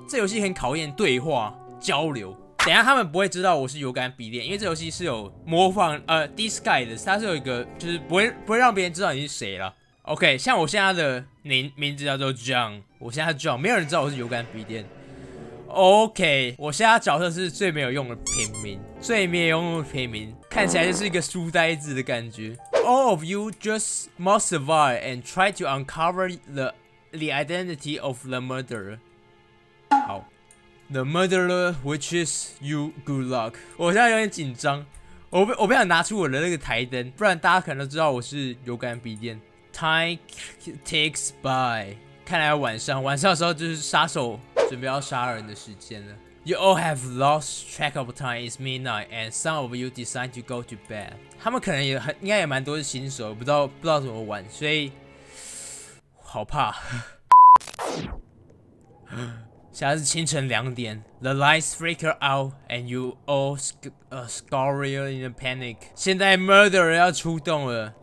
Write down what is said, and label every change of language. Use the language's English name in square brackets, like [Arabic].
[Chinese] 这游戏很考验对话交流。等一下他们不会知道我是有感笔电，因为这游戏是有模仿disguise 的，它是有一个就是不会让别人知道你是谁啦。 OK， 像我现在的名字叫做 John， 我现在 John， 没有人知道我是有感笔电。 OK， 我现在角色是最没有用的平民，最没有用的平民，看起来就是一个书呆子的感觉。 [English] All of you just must survive and try to uncover the identity of the murderer. [Chinese] 好 [English] ，the murderer which is you. Good luck. [Chinese] 我现在有点紧张，我不想拿出我的那个台灯，不然大家可能都知道我是有感笔电。 [English] Time ticks by， [Chinese] 看来晚上的时候就是杀手准备要杀人的时间了。 [English] You all have lost track of time. It's midnight, and some of you decide to go to bed. [Chinese] 他们可能也很，应该也蛮多是新手，不知道怎么玩，所以好怕。现在是清晨两点 [English] ，The lights flicker out, and you all scurry in a panic. [Chinese] 现在 murderer 要出动了。